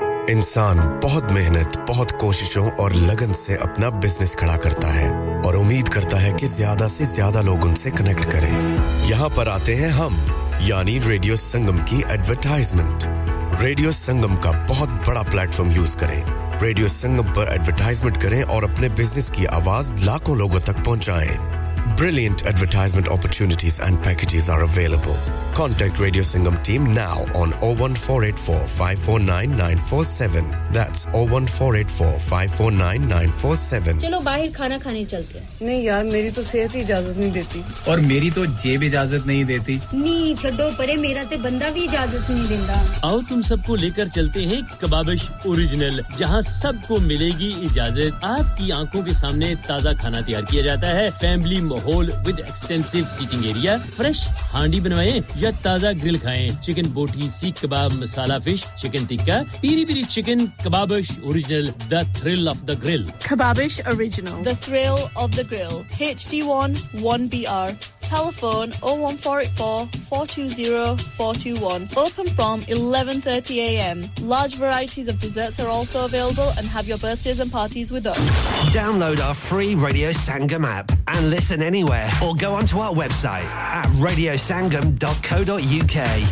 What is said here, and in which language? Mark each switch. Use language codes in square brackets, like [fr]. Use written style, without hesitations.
[hi] इंसान बहुत मेहनत, बहुत कोशिशों और लगन से अपना बिजनेस खड़ा करता है और उम्मीद करता है कि ज्यादा से ज्यादा लोग उनसे कनेक्ट करें. यहां पर आते हैं हम, यानी रेडियो संगम की एडवर्टाइजमेंट. रेडियो संगम का बहुत बड़ा प्लेटफॉर्म यूज करें. रेडियो संगम पर एडवर्टाइजमेंट करें और अपने बिजनेस की आवाज लाखों लोगों तक पहुंचाएं. [en] Brilliant advertisement opportunities and packages are available. Contact Radio Sangam team now on 01484-549-947. That's 01484-549-947. [hi] चलो बाहर खाना खाने चलते हैं. नहीं यार, मेरी तो सेहत ही इजाजत नहीं देती. और मेरी तो जेब इजाजत नहीं देती. नहीं छोड़ो परे, मेरा तो बंदा भी इजाजत नहीं देता. आओ तुम सबको लेकर चलते हैं कबाबिश ओरिजिनल, जहां सबको मिलेगी इजाजत. आपकी आंखों के सामने ताजा खाना तैयार किया जाता है. फैमिली माहौल [en] With extensive seating area. [hi] Fresh हांडी बनवाएं या ताजा ग्रिल खाएं. चिकन बोटी, सीख कबाब, मसाला fish, chicken tikka, Piri Piri chicken. [en] Kababish original, the thrill of the grill. Kababish original, the thrill of the grill. HD1 1BR. Telephone 01484420421. Open from 11:30 AM. Large varieties of desserts are also available and have your birthdays and parties with us. Download our free radio Sangam app and listen anywhere or go onto our website at radiosangam.co.uk.